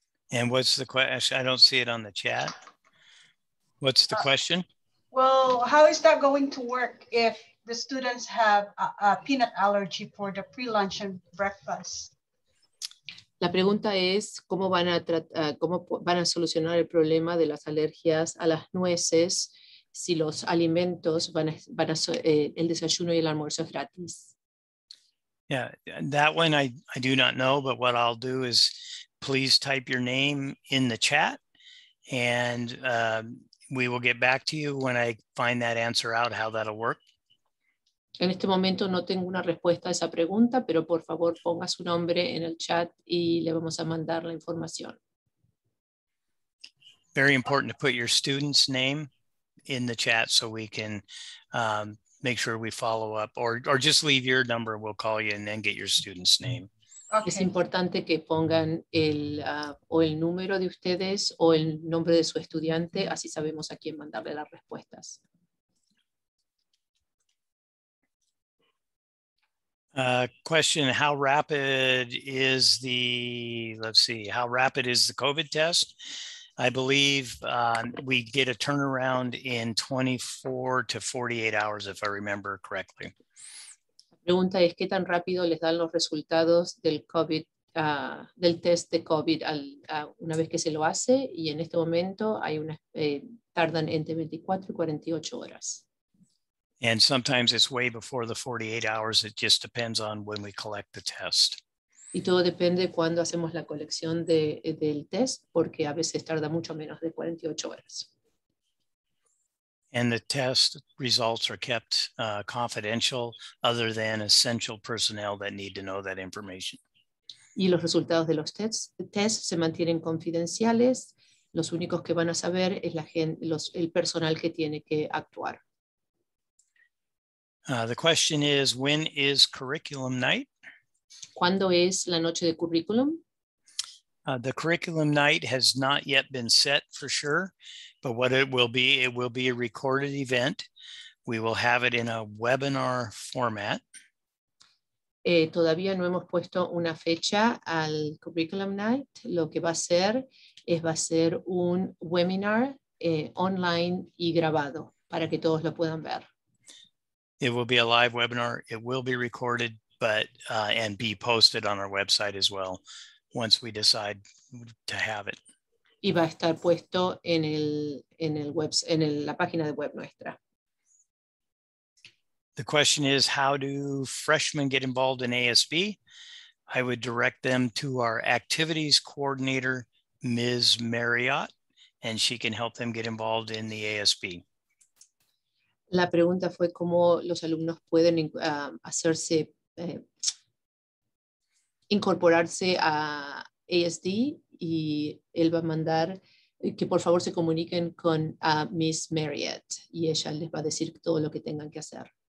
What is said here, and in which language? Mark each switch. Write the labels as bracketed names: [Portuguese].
[English] And what's the question? I don't see it on the chat. What's the question? Well, how is that going to work if the students have a peanut allergy for the pre-lunch and breakfast? [Spanish] La pregunta es, ¿cómo van a solucionar el problema de las alergias a las nueces? Si los alimentos van a el desayuno y el almuerzo es gratis. [English] Yeah, that one I do not know, but what I'll do is please type your name in the chat and we will get back to you when I find that answer out, how that'll work. [Spanish] En este momento no tengo una respuesta a esa pregunta, pero por favor ponga su nombre en el chat y le vamos a mandar la información. [English] Very important to put your student's name in the chat so we can make sure we follow up or just leave your number. We'll call you and then get your student's name. Okay. [Spanish] Es importante que pongan el número de ustedes o el nombre de su estudiante, así sabemos a quién mandarle las respuestas. [English] Question, how rapid is the COVID test? I believe we get a turnaround in 24 to 48 hours, if I remember correctly. [Spanish] La pregunta es, ¿qué tan rápido les dan los resultados del COVID, del test de COVID una vez que se lo hace? Y en este momento tardan entre 24 y 48 horas. [English] And sometimes it's way before the 48 hours. It just depends on when we collect the test. [Spanish] Y todo depende cuando hacemos la colección del test, porque a veces tarda mucho menos de 48 horas. [English] And the test results are kept confidential, other than essential personnel that need to know that information. [Spanish] y los resultados de los tests se mantienen confidenciales. Los únicos que van a saber es la gente, el personal que tiene que actuar. [English] The question is, when is curriculum night? [Spanish] ¿Cuándo es la noche de currículum? [English] The curriculum night has not yet been set for sure, but what it will be a recorded event. We will have it in a webinar format. [Spanish] Todavía no hemos puesto una fecha al curriculum night. Lo que va a ser es va a ser un webinar online y grabado para que todos lo puedan ver. [English] It will be a live webinar. It will be recorded, but and be posted on our website as well once we decide to have it. [Spanish] Y va a estar puesto en la página de web nuestra. [English] The question is, how do freshmen get involved in ASB? I would direct them to our activities coordinator, Ms. Marriott, and she can help them get involved in the ASB. [Spanish] La pregunta fue cómo los alumnos pueden hacerse incorporarse a ASD, y él va a mandar que por favor se comuniquen con Ms. Marriott, y ella les va a decir todo lo que tengan que hacer.